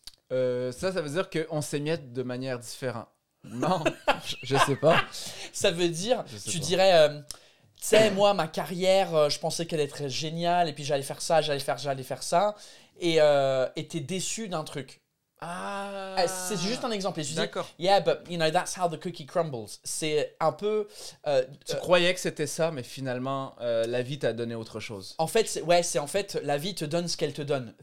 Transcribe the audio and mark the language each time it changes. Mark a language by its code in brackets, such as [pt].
[fr] Ça veut dire qu'on s'émiette de manière différente. Non, je sais pas. Ça veut dire, tu pas. Dirais, tu sais, moi, ma carrière, je pensais qu'elle était géniale, et puis j'allais faire ça, et t'es déçu d'un truc. Ah. C'est juste un exemple. D'accord. [en] Dis, yeah, but you know, that's how the cookie crumbles. [fr] C'est un peu... Tu croyais que c'était ça, mais finalement, la vie t'a donné autre chose. En fait, c'est la vie te donne ce qu'elle te donne.